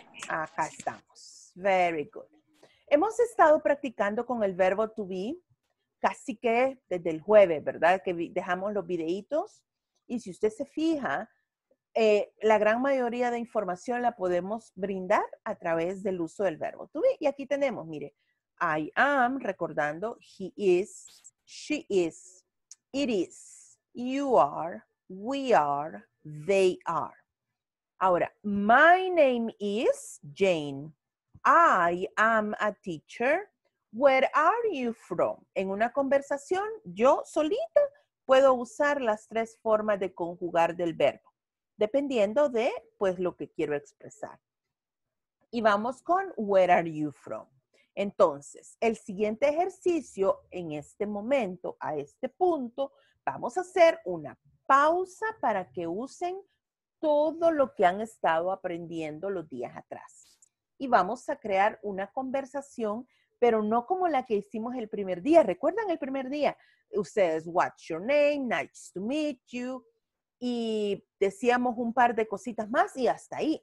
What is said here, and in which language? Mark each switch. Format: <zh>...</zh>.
<es>Acá estamos.</es> <en>Very good.</en> <es>Hemos estado practicando con el verbo to be casi que desde el jueves, ¿verdad? Que dejamos los videitos. Y si usted se fija, la gran mayoría de información la podemos brindar a través del uso del verbo to be. Y aquí tenemos, mire.</es> <en>I am, recordando, he is, she is, it is, you are, we are, they are. Ahora, my name is Jane. I am a teacher. Where are you from?</en> <es>En una conversación, yo solita puedo usar las tres formas de conjugar del verbo, dependiendo de, pues, lo que quiero expresar. Y vamos con</es> <en>where are you from.</en> <es>Entonces, el siguiente ejercicio, en este momento, a este punto, vamos a hacer una pausa para que usen todo lo que han estado aprendiendo los días atrás. Y vamos a crear una conversación, pero no como la que hicimos el primer día. ¿Recuerdan el primer día? Ustedes,</es> <en>what's your name, nice to meet you.</en> <es>Y decíamos un par de cositas más y hasta ahí.</es>